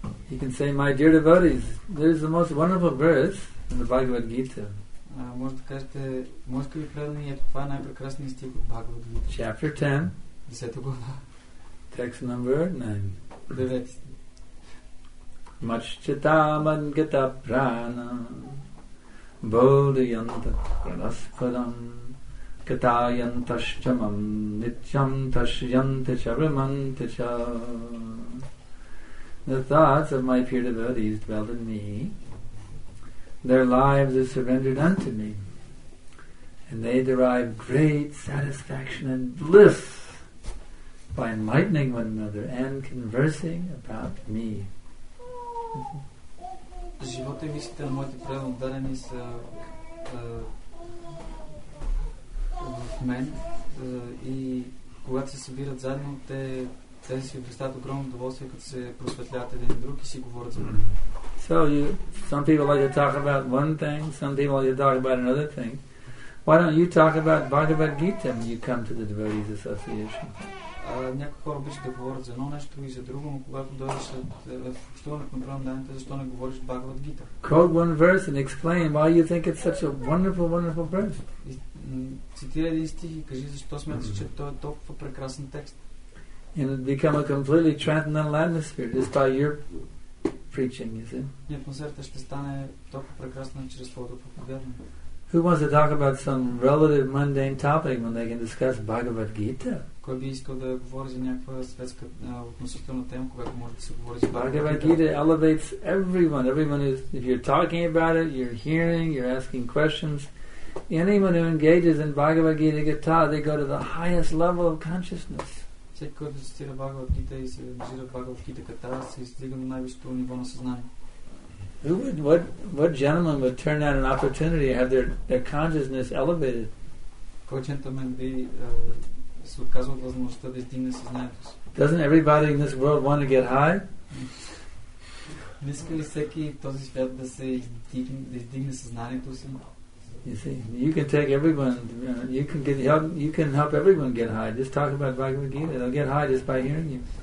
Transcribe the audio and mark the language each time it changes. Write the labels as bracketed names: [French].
[English] You can say, my dear devotees, there is the most wonderful verse in the Bhagavad Gita. [Bulgarian] Можете да кажете, може ли преданни е това най-прекрасният стих от Бхагавад Гита? [English] Chapter 10. [Bulgarian] 10-та глава. [English] Text number 9. [Bulgarian] 9 стих. [Sanskrit] Мач чета ман гата прана бодиянта пранаспадам гата янташчамам нитчам ташянта чарманта ча. [English] The thoughts of my pure devotees dwell in me. Their lives are surrendered unto me, and they derive great satisfaction and bliss by enlightening one another and conversing about me. [Bulgarian] Живота и мислите на моите преданни дадени са в мен, и когато се събират заедно, те си обрастат огромно удоволствие, като се просветляват един друг и си говорят за мен. [English] So some people like to talk about one thing, some people like to talk about another thing. Why don't you talk about Bhagavad Gita when you come to the Devotees Association? [Bulgarian] Някои хора обичат да говорят за едно нещо и за друго, но когато дойдеш в общуването на преданите, защо не говориш Бхагавад Гита? [English] Quote one verse and explain why you think it's such a wonderful, wonderful verse. [Bulgarian] Цитирай един стих и кажи защо смяташ, че той е толкова прекрасен текст. [English] And it become a completely transcendental atmosphere just by your preaching, you see. [Bulgarian] Атмосферата ще стане толкова прекрасна чрез твоето проповядване. [English] Who wants to talk about some relative mundane topic when they can discuss Bhagavad Gita? [Bulgarian] Кой би искал да говори за някаква светска относителна тема, когато може да се говори за [English] Bhagavad Gita? Elevates everyone. Everyone is, if you're talking about it, you're hearing, you're asking questions. Anyone who engages in Bhagavad Gita Gita, they go to the highest level of consciousness. [Bulgarian] Всеки, който цитира Бхагавад Гита и се ангажира Бхагавад Гита Ката, се издига на най-високо ниво на съзнание. [English] Who would, what gentleman would turn down an opportunity to have their consciousness elevated? [Bulgarian] Кой джентълмен би се отказва от възможността да издигне съзнанието си? [English] Doesn't everybody in this world want to get high? [Bulgarian] Не иска ли всеки в този свят да се издигне съзнанието си? [English] You see, you can take everyone, you can help everyone get high. Just talk about Bhagavad Gita. They'll get high just by hearing you.